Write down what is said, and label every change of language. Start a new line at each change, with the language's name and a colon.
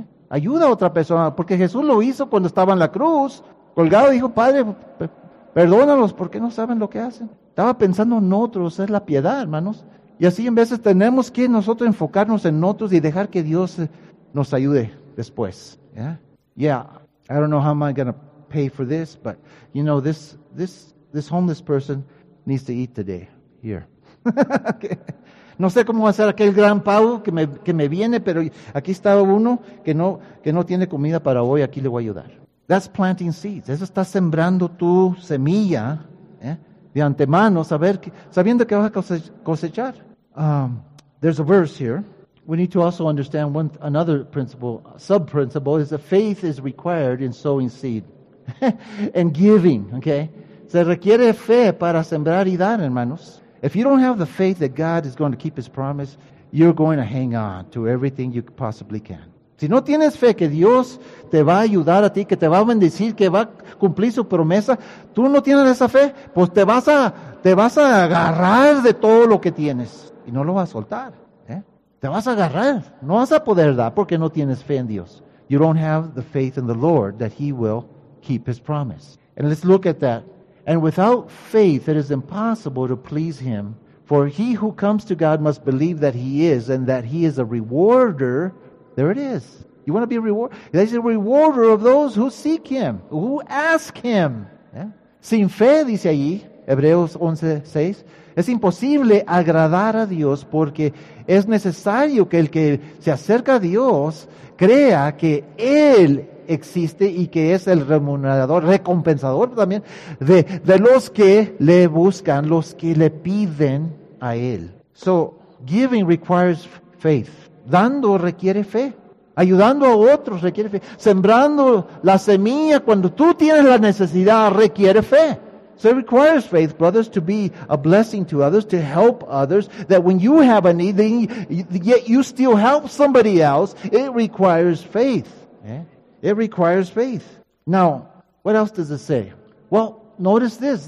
Spanish: Ayuda a otra persona, porque Jesús lo hizo cuando estaba en la cruz, colgado, dijo, Padre, perdónalos, porque no saben lo que hacen. Estaba pensando en otros, es la piedad, hermanos. Y así en veces tenemos que nosotros enfocarnos en otros y dejar que Dios nos ayude después.
English: Yeah, I don't know how am I going to pay for this, but you know, this homeless person needs to eat today, here. Okay.
Spanish: No sé cómo va a ser aquel gran pavo que me viene, pero aquí está uno que no tiene comida para hoy, aquí le voy a ayudar.
English: That's planting seeds.
Spanish: Eso está sembrando tu semilla de antemano, sabiendo que vas a cosechar.
English: There's a verse here. We need to also understand another principle, sub-principle, is that faith is required in sowing seed and giving. Okay?
Spanish: Se requiere fe para sembrar y dar, hermanos.
English: If you don't have the faith that God is going to keep His promise, you're going to hang on to everything you possibly can.
Spanish: Si no tienes fe que Dios te va a ayudar a ti, que te va a bendecir, que va a cumplir su promesa, tú no tienes esa fe, pues te vas a agarrar de todo lo que tienes y no lo vas a soltar. Te vas a agarrar, no vas a poder dar porque no tienes fe en Dios.
English: You don't have the faith in the Lord that He will keep His promise. And let's look at that. And without faith, it is impossible to please Him. For he who comes to God must believe that He is, and that He is a rewarder. There it is. You want to be a rewarder? He's a rewarder of those who seek Him, who ask Him. Yeah.
Spanish: Sin fe, dice allí, Hebreos 11:6, es imposible agradar a Dios, porque es necesario que el que se acerca a Dios crea que Él existe y que es el remunerador, recompensador también de los que le buscan, los que le piden a él.
English: So, giving requires faith.
Spanish: Dando requiere fe. Ayudando a otros requiere fe. Sembrando la semilla cuando tú tienes la necesidad requiere fe.
English: So it requires faith, brothers, to be a blessing to others, to help others, that when you have a need, yet you still help somebody else, it requires faith. It requires faith. Now, what else does it say? Well, notice this.